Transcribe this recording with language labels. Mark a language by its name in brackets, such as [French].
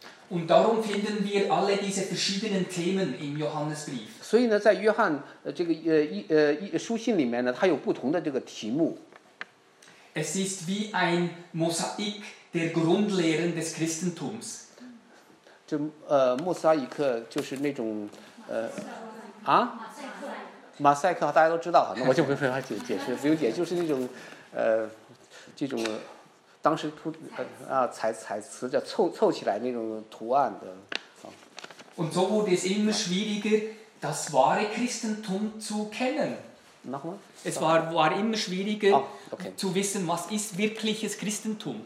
[German] Und darum finden wir alle diese verschiedenen Themen im Johannesbrief. [Chinese] 所以呢，在约翰这个书信里面呢，它有不同的这个题目。 [German] Es ist wie ein Mosaik der Grundlehren des Christentums. [Chinese] 这莫萨伊克就是那种啊马赛克大家都知道，那我就不用再解释，不用解释，就是那种这种当时彩瓷叫 凑起来那种图案的。 [German] Und so wurde es immer schwieriger, das wahre Christentum zu kennen. Nochmal? Es war immer schwieriger, okay. zu wissen, was ist wirkliches Christentum.